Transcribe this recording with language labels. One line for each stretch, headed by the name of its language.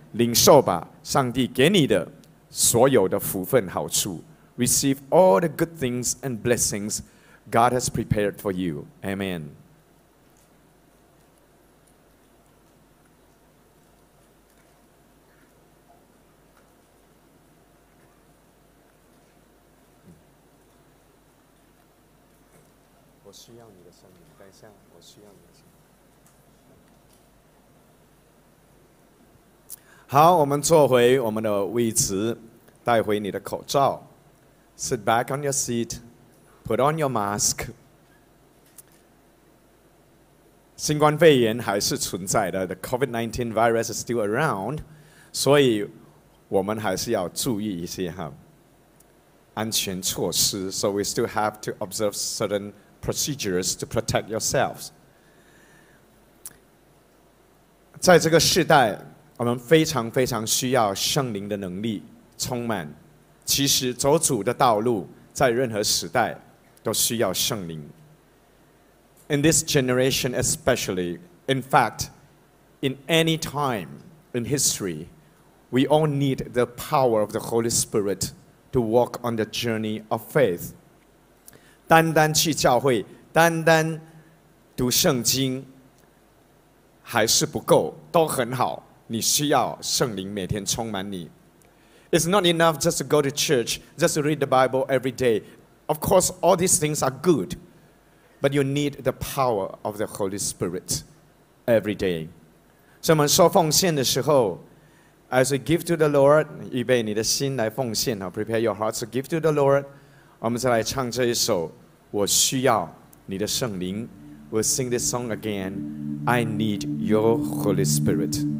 Chinese: 领受吧，上帝给你的所有的福分好处。
English: Receive all the good things and blessings God has prepared for you. Amen.
Chinese: 好，我们坐回我们的位置，带回你的口罩。
English: Sit back on your seat, put on your mask.
Chinese: 新冠肺炎还是存在的，
English: The COVID-19 virus is still around.
Chinese: 所以我们还是要注意一些哈安全措施。
English: So we still have to observe certain procedures to protect yourselves.
Chinese: 在这个时代我们非常非常需要圣灵的能力充满。其实走主的道路在任何时代都需要圣灵。
English: In this generation especially, in fact, in any time in history, we all need the power of the Holy Spirit to walk on the journey of faith.
Chinese: 单单去教会，单单读圣经还是不够，都很好。你需要圣灵每天充满你。
English: It's not enough just to go to church, just to read the Bible every day. Of course, all these things are good, but you need the power of the Holy Spirit every day.
Chinese: 所以我们说奉献的时候，
English: as we give to the Lord,
Chinese: 预备你的心来奉献，
English: prepare your heart to give to the Lord.
Chinese: 我们再来唱这一首，我需要你的圣灵。
English: We'll sing this song again, I need your Holy Spirit.